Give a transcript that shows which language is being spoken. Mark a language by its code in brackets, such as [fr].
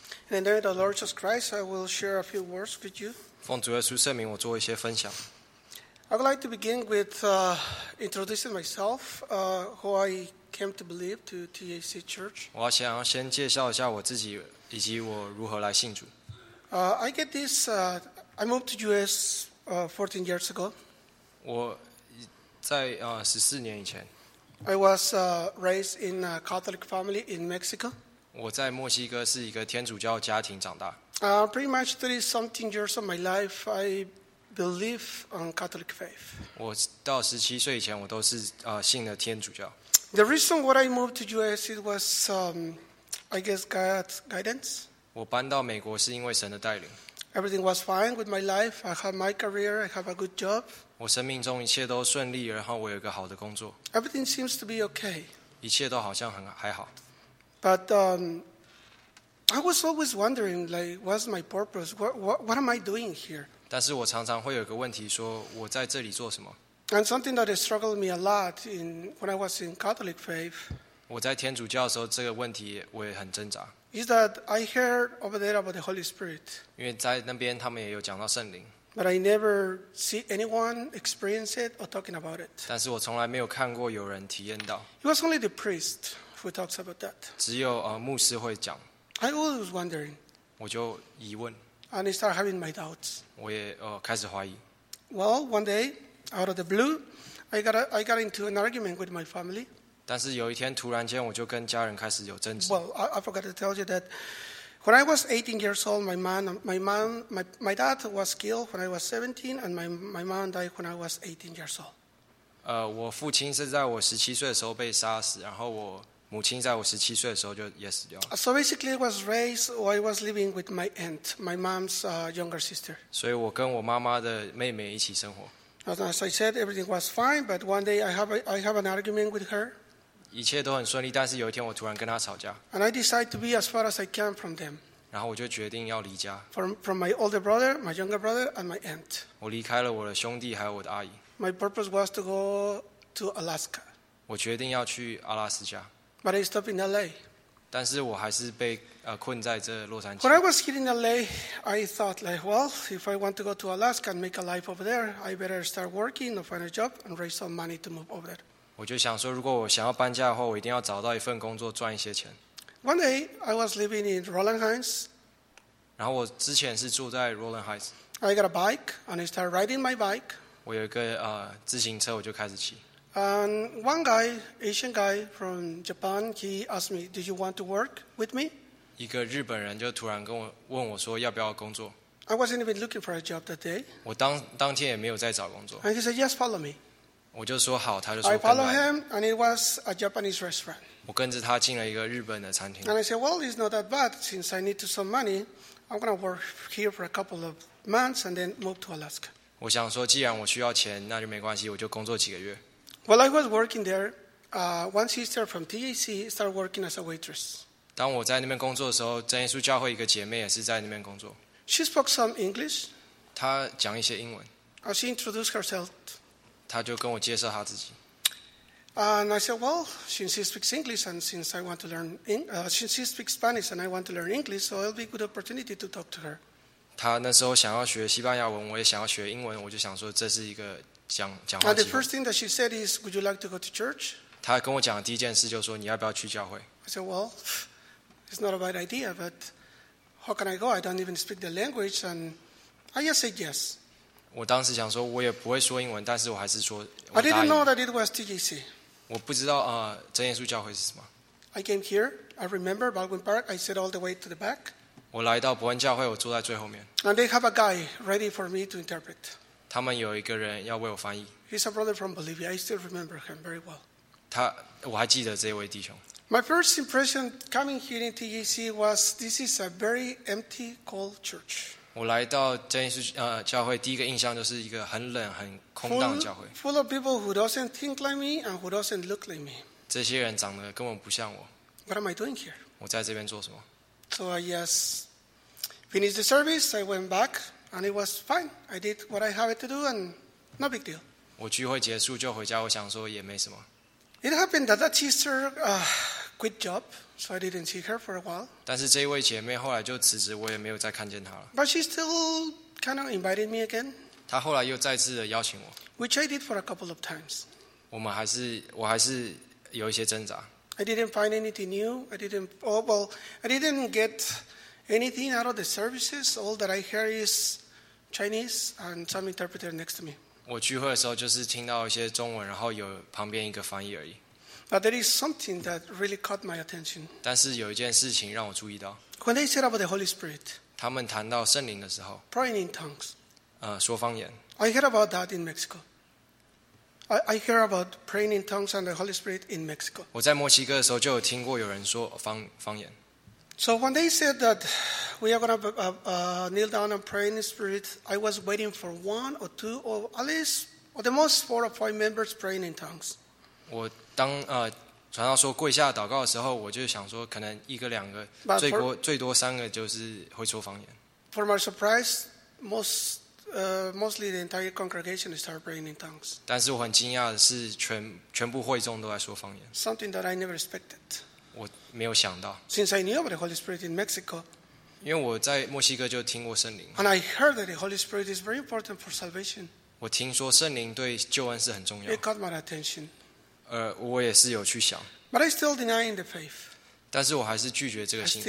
[en] In the name of the Lord Jesus Christ, I will share a few words with you. [zh] 奉主耶稣圣名，我做一些分享。 [en] I would like to begin with introducing myself, who I came to believe to TAC Church. [zh] 我想要先介绍一下我自己以及我如何来信主。 [en] I moved to US 14 years ago. [zh] 我在14年以前。 [en] I was raised in a Catholic family in Mexico. [zh] 我在墨西哥是一个天主教家庭长大。 [en] Pretty much 30-something years of my life, I believe on Catholic faith. [zh] 我到17岁以前，我都是信了天主教。 [en] The reason why I moved to US, it was, I guess, God's guidance. [zh] 我搬到美国是因为神的带领。 [en] Everything was fine with my life. I have my career. I have a good job. [zh] 我生命中一切都顺利，然后我有一个好的工作。 [en] Everything seems to be okay. [zh] 一切都好像很还好。 [en] But I was always wondering, like, what's my purpose? What am I doing here? [zh] 但是我常常会有一个问题，说我在这里做什么 [en] ？And something that struggled me a lot in when I was in Catholic faith. [zh] 我在天主教的时候，这个问题我也很挣扎。 [en] Is that I heard over there about the Holy Spirit? [zh] 因为在那边他们也有讲到圣灵。 [en] But I never see anyone experience it or talking about it. [zh] 但是我从来没有看过有人体验到。 [en] It was only the priest who talks about that. [zh] 只有牧师会讲。 [en] I was wondering. [zh] 我就疑问。 [en] And I started having my doubts. [zh] 我也开始怀疑。 [en] Well, one day, out of the blue, I got into an argument with my family. [zh] 但是有一天突然间我就跟家人开始有争执。 [en] Well, I forgot to tell you that when I was 18 years old, my dad was killed when I was 17, and my mom died when I was 18 years old. [zh] 我父亲是在我17岁的时候被杀死，然后我母亲在我17岁的时候就也死掉了。 [en] So basically, I was raised while I was living with my aunt, my mom's younger sister. [zh] 所以我跟我妈妈的妹妹一起生活。 [en] As I said, everything was fine, but one day I have an argument with her. [zh] 一切都很顺利，但是有一天我突然跟他吵架。 [en] And I decide to be as far as I can from them. [zh] 然后我就决定要离家。 [en] From my older brother, my younger brother, and my aunt. [zh] 我离开了我的兄弟还有我的阿姨。 [en] My purpose was to go to Alaska. [zh] 我决定要去阿拉斯加。 [en] But I stopped in LA. [zh] 但是我还是被困在这洛杉矶。 [en] When I was here in LA, I thought like, well, if I want to go to Alaska and make a life over there, I better start working or find a job and raise some money to move over there. [zh] 我就想说，如果我想要搬家的话，我一定要找到一份工作赚一些钱。 [en] One day, I was living in Roland Heights. [zh] 然后我之前是住在 Roland Heights. [en] I got a bike and I started riding my bike. [zh] 我有一个自行车，我就开始骑。 [en] And one guy, Asian guy from Japan, he asked me, "Do you want to work with me?" [zh] 一个日本人就突然问我说要不要工作。 [en] I wasn't even looking for a job that day. [zh] 我当天也没有在找工作。 [en] And he said, "Yes, follow me." [zh] 我就说好，他就说跟来。 [en] I follow him, and it was a Japanese restaurant. [zh] 我跟着他进了一个日本的餐厅。 [en] And I said, well, it's not that bad. Since I need to some money, I'm gonna work here for a couple of months and then move to Alaska. [zh] 我想说，既然我需要钱，那就没关系，我就工作几个月。 [en] Well, I was working there. One sister from TAC started working as a waitress. [zh] 当我在那边工作的时候，真耶稣教会一个姐妹也是在那边工作。 [en] She spoke some English. [zh] 她讲一些英文。 [en] She introduced herself. [zh] 他就跟我介绍他自己。 [en] And I said, well, since he speaks English and since I want to learn since he speaks Spanish and I want to learn English, so it'll be a good opportunity to talk to her. [zh] 他那时候想要学西班牙文，我也想要学英文，我就想说这是一个讲话。 [en] And the first thing that she said is, would you like to go to church? [zh] 他跟我讲的第一件事就是说你要不要去教会。 [en] I said, well, it's not a bad idea, but how can I go? I don't even speak the language, and I just said yes. [zh] 我当时想说，我也不会说英文，但是我还是说，我答应。 [en] I didn't know that it was TGC. [zh] 我不知道真耶稣教会是什么。 [en] I came here. I remember Baldwin Park. I sat all the way to the back. [zh] 我来到伯恩教会，我坐在最后面。 [en] And they have a guy ready for me to interpret. [zh] 他们有一个人要为我翻译。 [en] He's a brother from Bolivia. I still remember him very well. [zh] 我还记得这位弟兄。 [en] My first impression coming here in TEC was this is a very empty, cold church. [zh] 我来到真耶稣教会，第一个印象就是一个很冷、很空荡的教会。 [en] Full of people who doesn't think like me and who doesn't look like me. [zh] 这些人长得根本不像我。 [en] What am I doing here? [zh] 我在这边做什么 [en] ？So I just finished the service. I went back, and it was fine. I did what I had to do, and no big deal. [zh] 我聚会结束就回家，我想说也没什么。 [en] It happened that that sister quit job, so I didn't see her for a while. [zh] 但是这位姐妹后来就辞职，我也没有再看见她了。 [en] But she still kind of invited me again. [zh] 她后来又再次的邀请我。 [en] Which I did for a couple of times. [zh] 我还是有一些挣扎。 [en] I didn't find anything new. I didn't, oh, well, I didn't get anything out of the services. All that I hear is Chinese and some interpreter next to me. [zh] 我聚会的时候就是听到一些中文，然后有旁边一个翻译而已。 [en] But there is something that really caught my attention. [zh] 但是有一件事情让我注意到。 [en] When they said about the Holy Spirit, [zh] 他们谈到圣灵的时候 [en] praying in tongues, [zh] 说方言。 [en] I heard about that in Mexico. I hear about praying in tongues and the Holy Spirit in Mexico. [zh] 我在墨西哥的时候就有听过有人说方言。 [en] So when they said that we are going to kneel down and pray in the Spirit, I was waiting for one or two or at least or the most four or five members praying in tongues. [zh] 我当传道说跪下祷告的时候，我就想说可能一个两个，最多三个就是会说方言。 [en] For my surprise, mostly the entire congregation started praying in tongues. [zh] 但是我很惊讶的是全部会众都在说方言。 [en] Something that I never expected. [zh] 我没有想到。 [en] Since I knew about the Holy Spirit in Mexico, [zh] 因为我在墨西哥就听过圣灵。 [en] And I heard that the Holy Spirit is very important for salvation. [zh] 我听说圣灵对救恩是很重要。 [en] It caught my attention. [zh] 我也是有去想。 [en] But I still denying the faith. [zh] 但是我还是拒绝这个信仰。